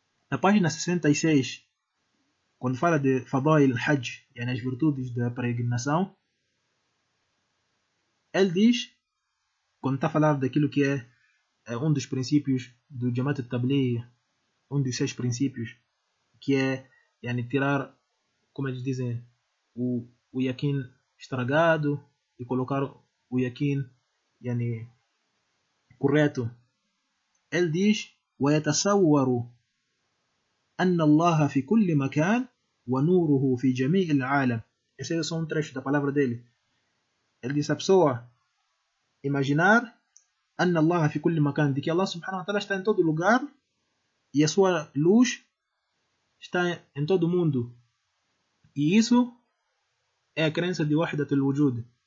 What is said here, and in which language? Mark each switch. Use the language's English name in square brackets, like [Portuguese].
[Portuguese] Na página 66, quando fala de Fadail al-Hajj, e nas virtudes da peregrinação, ele diz, quando está a falar daquilo que é um dos princípios do Jamaat Tabligh, um dos seis princípios, que é, yani, tirar, como eles dizem, o yakin estragado e colocar o yakin, yani, correto. Ele diz: [Arabic] ويتصور أن الله في كل مكان ونوره في جميع العالم. [Portuguese] Esse é só um trecho da palavra dele. Ele diz: a pessoa imaginar [Arabic] أن الله في كل مكان, [Portuguese] de que Allah subhanahu wa ta'ala está em todo lugar e a sua luz está em todo mundo. E isso é a crença de Wahdat al-Wujud.